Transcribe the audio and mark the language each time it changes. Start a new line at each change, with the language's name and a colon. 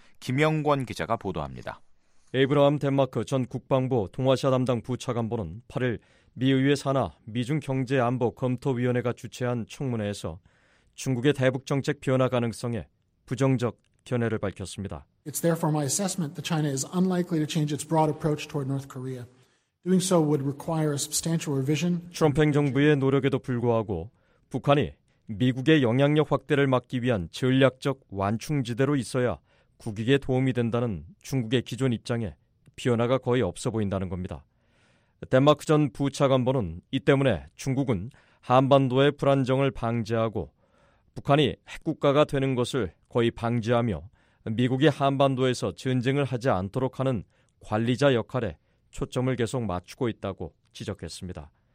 Korean: 김영권 기자가 보도합니다. 에이브라함 덴마크 전 국방부 동아시아 담당 부차관보는 8일 미 의회 산하 미중경제안보검토위원회가 주최한 청문회에서 중국의 대북 정책 변화 가능성에 부정적 견해를 밝혔습니다.
English: It's therefore my assessment that China is unlikely to change its broad approach toward North Korea. Doing so would require a substantial revision.
Korean: 트럼프 행정부의 노력에도 불구하고 북한이 미국의 영향력 확대를 막기 위한 전략적 완충지대로 있어야 국익에 도움이 된다는 중국의 기존 입장에 변화가 거의 없어 보인다는 겁니다. 덴마크 전 부차관보는 이 때문에 중국은 한반도의 불안정을 방지하고 북한이 핵국가가 되는 것을 거의 방지하며 미국이 한반도에서 전쟁을 하지 않도록 하는 관리자 역할에 초점을 계속 맞추고 있다고 지적했습니다.